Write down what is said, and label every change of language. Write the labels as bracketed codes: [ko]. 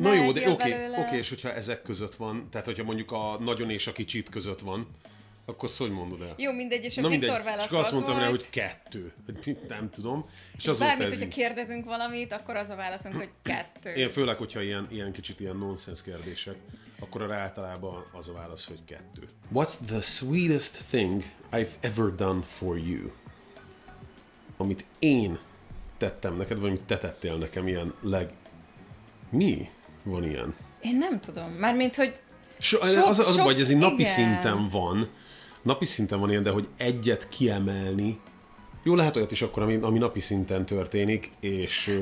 [hu] Na jó, de oké, és hogyha ezek között van, tehát hogyha mondjuk a nagyon és a kicsit között van, akkor hogy mondod el? Jó, mindegy, és a Viktor válasz. Csak azt mondtam rá, hogy kettő. Nem tudom. És bármit, hogyha kérdezünk valamit, akkor az a válaszunk, hogy kettő. Én főleg, hogyha ilyen kicsit ilyen nonsense kérdések, akkor arra általában az a válasz, hogy kettő. [en] What's the sweetest thing I've ever done for you? [hu] Amit én tettem neked, vagy amit te tettél nekem, ilyen leg... Mi van ilyen? Én nem tudom. Mármint, hogy... Az a baj, ez egy napi szinten van. Napi szinten van ilyen, de hogy egyet kiemelni... Jó, lehet olyat is akkor, ami napi szinten történik, és...